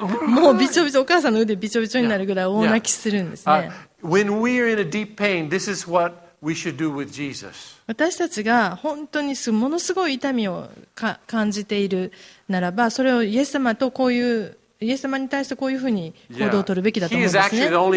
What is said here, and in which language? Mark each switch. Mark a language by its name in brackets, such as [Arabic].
[Japanese] もうびちょびちょ、お母さんの腕びちょびちょになるぐらい大泣きするんですね。 [English] When we are in a deep pain, this is what we should do with Jesus. [Japanese] 私たちが本当にものすごい痛みを感じているならば、それをイエス様とこういうイエス様に対してこういうふうに行動を取るべきだと思うんですね。